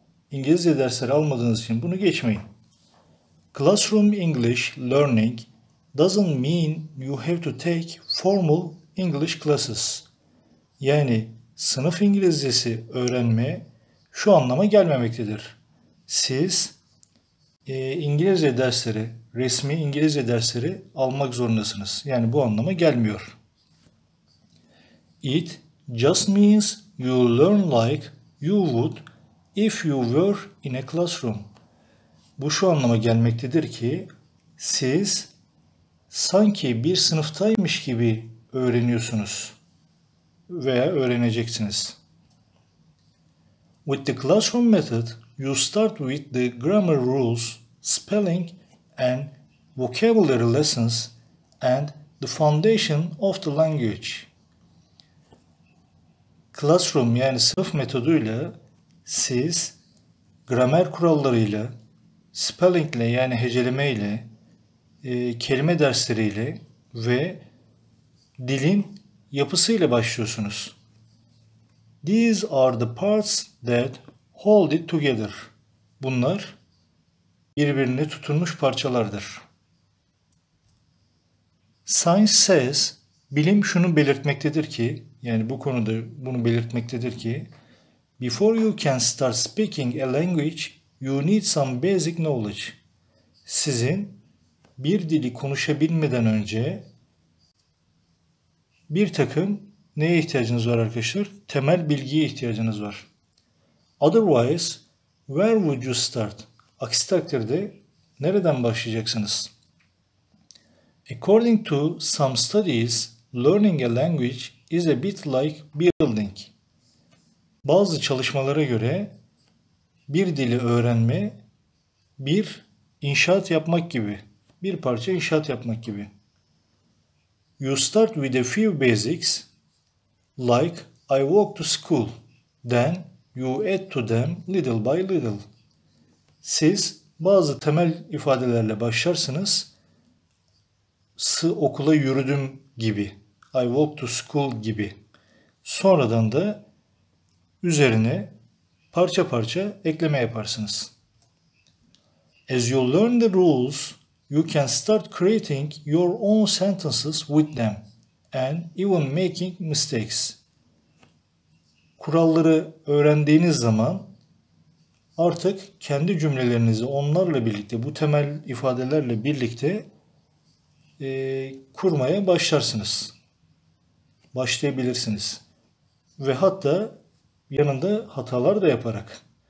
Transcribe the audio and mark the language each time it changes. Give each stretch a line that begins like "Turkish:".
Turkish: İngilizce dersleri almadığınız için bunu geçmeyin.
English: Classroom English learning doesn't mean you have to take formal English classes.
Turkish: Yani sınıf İngilizcesi öğrenme şu anlama gelmemektedir. Siz İngilizce dersleri, resmi İngilizce dersleri almak zorundasınız. Yani bu anlama gelmiyor.
English: It just means you learn like you would if you were in a classroom.
Turkish: Bu şu anlama gelmektedir ki siz sanki bir sınıftaymış gibi öğreniyorsunuz veya öğreneceksiniz.
English: With the classroom method, you start with the grammar rules, spelling and vocabulary lessons and the foundation of the language.
Turkish: Classroom yani sınıf metoduyla siz gramer kurallarıyla, spelling ile yani heceleme ile, kelime dersleriyle ve dilin yapısıyla başlıyorsunuz.
English: These are the parts that hold it together.
Turkish: Bunlar birbirine tutunmuş parçalardır.
English: Science says,
Turkish: bilim şunu belirtmektedir ki,
English: yani bu konuda bunu belirtmektedir ki, before you can start speaking a language, you need some basic knowledge.
Turkish: Sizin bir dili konuşabilmeden önce bir takım neye ihtiyacınız var arkadaşlar? Temel bilgiye ihtiyacınız var.
English: Otherwise, where would you start?
Turkish: Aksi takdirde nereden başlayacaksınız?
English: According to some studies, learning a language is a bit like building.
Turkish: Bazı çalışmalara göre bir dili öğrenme bir inşaat yapmak gibi, bir parça inşaat yapmak gibi.
English: You start with a few basics like I walk to school, then you add to them little by little.
Turkish: Siz bazı temel ifadelerle başlarsınız. Okula yürüdüm gibi.
English: I walk to school
Turkish: gibi. Sonradan da üzerine parça parça ekleme yaparsınız.
English: As you learn the rules, you can start creating your own sentences with them and even making mistakes.
Turkish: Kuralları öğrendiğiniz zaman artık kendi cümlelerinizi onlarla birlikte, bu temel ifadelerle birlikte kurmaya başlarsınız. Başlayabilirsiniz. Ve hatta yanında hatalar da yaparak.